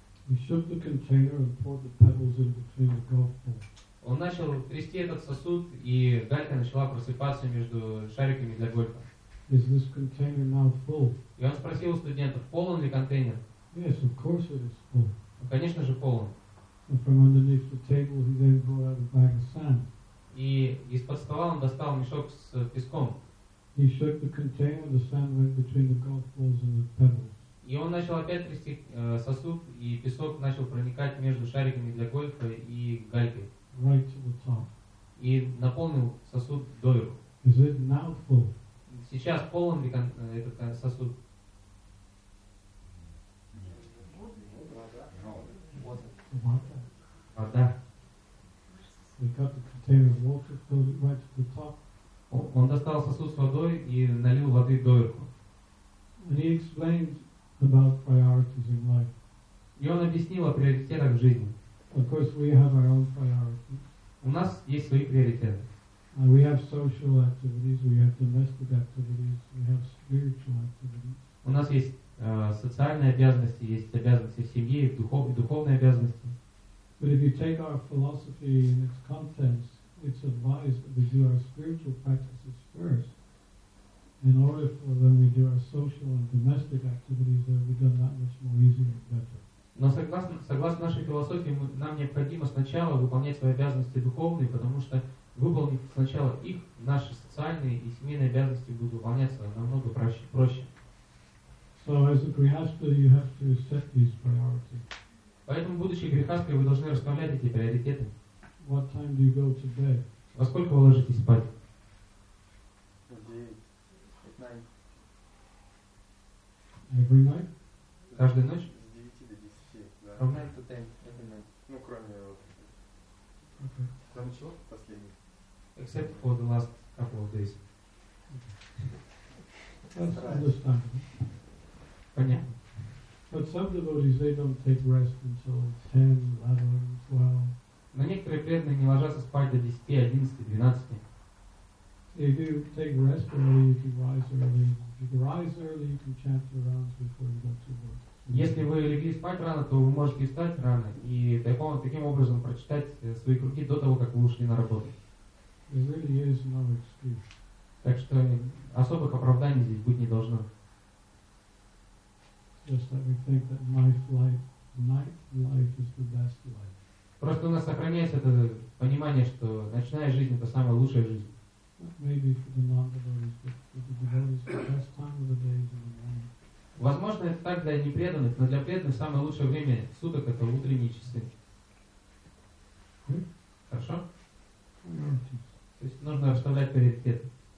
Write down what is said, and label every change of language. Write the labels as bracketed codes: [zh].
[en] He shook the container and poured the pebbles in between the golf balls. [ru] Он начал трясти этот сосуд, и галька начала просыпаться между шариками для гольфа. [en] Is this container now full? [ru] И он спросил у студентов, полон ли контейнер? [en] Yes, of course it is full. [ru] Ну, конечно же, полон. [en] And from underneath the table he then brought out a bag of sand. [ru] И из-под стола он достал мешок с песком. [en] He shook the container, the sand went between the golf balls and the pebbles. [ru] И он начал опять трясти сосуд, и песок начал проникать между шариками для гольфа и галькой. [en] Right to the top. [ru] И наполнил сосуд доверху. [en] Is it now full? [ru] Сейчас полон ли этот сосуд? Вода. [en] He got the container of water, filled it right to the top. [ru] Он достал сосуд с водой и налил воды доверху. [en] And he explained about priorities in life. [ru] И он объяснил о приоритетах в жизни. [en] Of course, we have our own priorities. [ru] У нас есть свои приоритеты. [en] And we have social activities, we have domestic activities, we have spiritual activities. [ru] У нас есть социальные обязанности, есть обязанности семьи, духовные обязанности. [en] But if you take our philosophy and its contents, it's advised that we do our spiritual practices first, in order for then we do our social and domestic activities that we've done that much more easily and better. [ru] Но согласно нашей философии, нам необходимо сначала выполнять свои обязанности духовные, потому что выполнив сначала их, наши социальные и семейные обязанности будут выполняться намного проще. [en] So as a grihastha, you have to set these priorities. [ru] Поэтому, будучи грехастхой, вы должны расставлять эти приоритеты. [en] What time do you go to bed? [ru] Во сколько вы ложитесь спать? [en] At 9. Every night? [ru] Каждую ночь? С 9 до 10, да. [en] From 9 to 10, every night. [ru] Ну, кроме вот. [en] Okay. [ru] Кроме чего? Последний. [en] Except for the last couple of days. That's understandable. [ru] Понятно. [en] But some devotees, they don't take rest until 10, 11, 12. [ru] Но некоторые преданные не ложатся спать до 10, 11, 12. [en] If you take rest early, you can rise early. If you rise early, you can chant your rounds before you go to work. [ru] Если вы легли спать рано, то вы можете встать рано и таким образом прочитать свои круги до того, как вы ушли на работу. [en] There really is no excuse. [ru] Так что особых оправданий здесь быть не должно. [en] Just that we think that night life is the best life. [ru] Просто у нас сохраняется это понимание, что ночная жизнь — это самая лучшая жизнь. [en] Maybe for the non-devotees, but the devotees, the best time of the day is in the morning. [ru] Возможно, это так для непреданных, но для преданных самое лучшее время суток — это утренние часы. Хорошо? То есть нужно расставлять приоритеты.